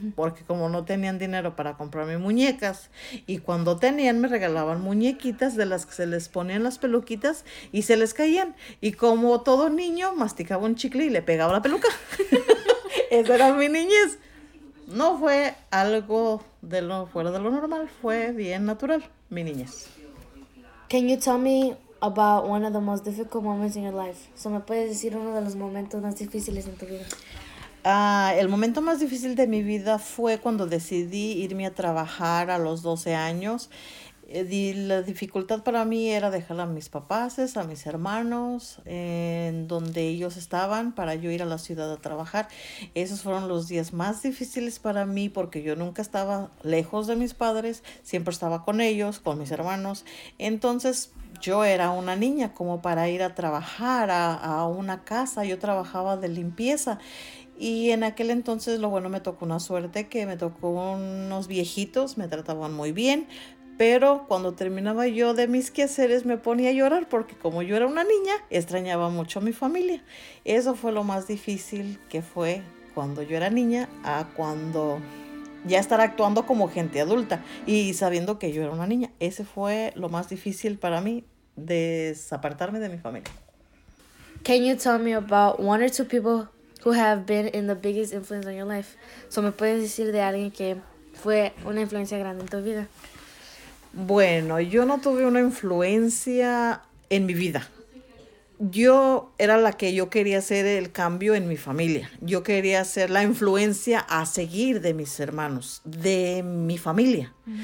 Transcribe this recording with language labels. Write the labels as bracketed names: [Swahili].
[Spanish] Porque como no tenían dinero para comprarme muñecas. Y cuando tenían, me regalaban muñequitas de las que se les ponían las peluquitas y se les caían. Y como todo niño, masticaba un chicle y le pegaba la peluca. Esa era mi niñez. No fue algo de lo fuera de lo normal. Fue bien natural, mi niñez. [English] Can you tell me about one of the most difficult moments in your life? [Spanish] So, ¿me puedes decir uno de los momentos más difíciles en tu vida? El momento más difícil de mi vida fue cuando decidí irme a trabajar a los 12 años. La dificultad para mí era dejar a mis papás, a mis hermanos, en donde ellos estaban, para yo ir a la ciudad a trabajar. Esos fueron los días más difíciles para mí porque yo nunca estaba lejos de mis padres. Siempre estaba con ellos, con mis hermanos. Entonces, yo era una niña como para ir a trabajar a una casa. Yo trabajaba de limpieza. Y en aquel entonces, lo bueno, me tocó una suerte que me tocó unos viejitos. Me trataban muy bien. Pero cuando terminaba yo de mis quehaceres, me ponía a llorar porque como yo era una niña, extrañaba mucho a mi familia. Eso fue lo más difícil que fue cuando yo era niña a cuando ya estar actuando como gente adulta y sabiendo que yo era una niña. Ese fue lo más difícil para mí, desapartarme de mi familia. [English] Can you tell me about one or two people who have been in the biggest influence on your life? [Spanish] So, ¿me puedes decir de alguien que fue una influencia grande en tu vida? Bueno, yo no tuve una influencia en mi vida. Yo era la que yo quería hacer el cambio en mi familia. Yo quería ser la influencia a seguir de mis hermanos, de mi familia.